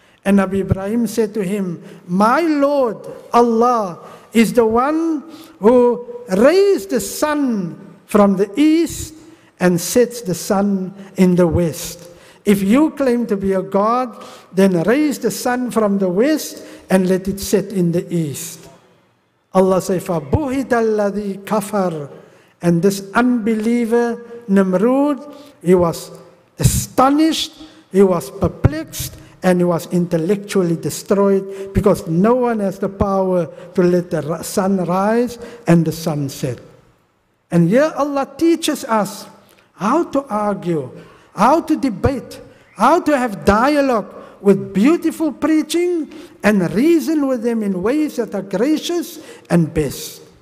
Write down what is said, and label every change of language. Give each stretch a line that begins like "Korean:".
English: And Nabi Ibrahim said to him, my Lord Allah is the one who raised the sun from the east and sets the sun in the west. If you claim to be a God, then raise the sun from the west and let it set in the east. Allah says,
Arabic: فَبُهِتَ الَّذِي كَفَرَ.
English: And this unbeliever, Nimrod, he was astonished, he was perplexed, and he was intellectually destroyed, because no one has the power to let the sun rise and the sun set. And here Allah teaches us how to argue, how to debate, how to have dialogue with beautiful preaching and reason with them in ways that are gracious and best.